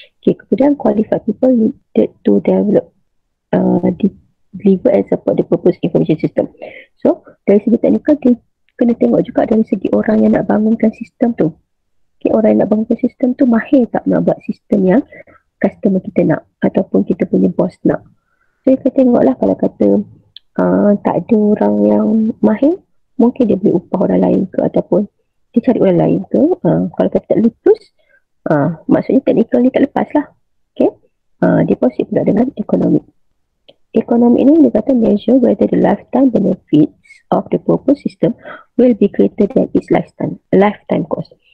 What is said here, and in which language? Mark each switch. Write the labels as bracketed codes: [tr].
[en] Okay, [ms] kemudian [en] qualified people needed to develop deliver and support the purpose information system. [ms] So dari segi teknikal dia kena tengok juga dari segi orang yang nak bangunkan sistem tu. Okay, orang yang nak bangunkan sistem tu mahir tak nak buat sistem yang customer kita nak ataupun kita punya bos nak. So kita tengoklah, kalau kata tak ada orang yang mahir, mungkin dia boleh upah orang lain ke ataupun dia cari orang lain ke. Kalau kata tak lulus, maksudnya teknikal ni tak lepas lah. Okay, dia posit pula dengan ekonomi. Ekonomi ni dia kata [en] measure whether the lifetime benefits of the proposed system will be greater than its lifetime cost.